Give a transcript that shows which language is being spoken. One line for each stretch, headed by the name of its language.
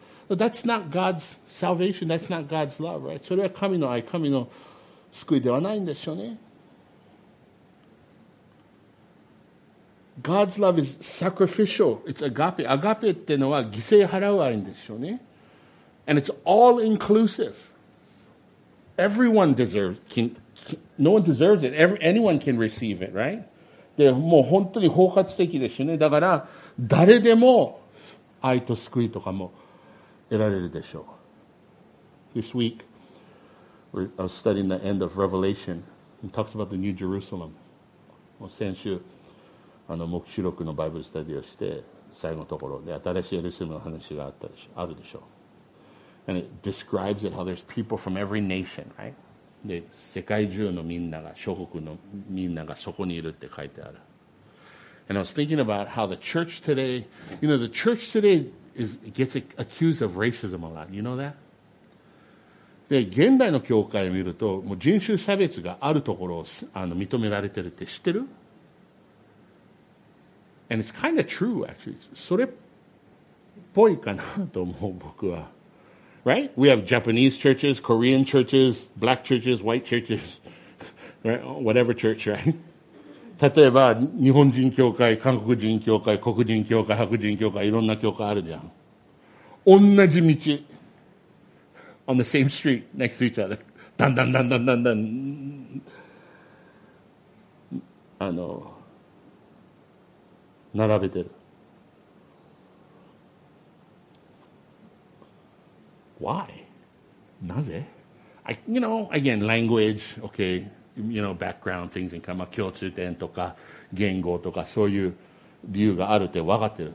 English: But that's not God's salvation, that's not God's love, right?
Japanese: それは神の愛、神の救いではないんでしょうね。
English: God's love is sacrificial. It's agape. Agape
Japanese: ってのは犠牲払う愛でしょうね。
English: And it's all inclusive. Everyone deserves, no one deserves it. Anyone can receive it, right?
Japanese: で、もう本当に包括的でしょうね。だから、誰でも愛と救いとかも得られるでしょう。
English: This week, I was studying the end of Revelation. It talks about the New Jerusalem.
Japanese: もう先週、あの黙示録のバイブルスタディをして最後のところで新しいエルサレムの話があったでしょ、あるでしょう。
English: And it describes it how there's people from every nation, right?
Japanese: で、世界中のみんなが、諸国のみんながそこにいるって書いてある。
English: And I was thinking about how the church today, you know, the church today is, gets accused of racism a lot. You know that?
Japanese: で、現代の教会を見ると、もう人種差別があるところをあの認められてるって知ってる？
English: And it's kind of true, actually.
Japanese: それっぽいかなと思う、僕は。
English: Right? We have Japanese churches, Korean churches, black churches, white churches, right? Whatever church, right?
Japanese: 例えば、日本人教会、韓国人教会、黒人教会、白人教会、いろんな教会あるじゃん。同じ道。
English: On the same street, next to each other. だんだんだんだんだんだん。
Japanese: あの、並べてる。
English: Why?
Japanese: なぜ?
English: I, you know, again, language, okay, you know, background, things in common,
Japanese: 共通点とか言語とかそういう理由があるって分かってる。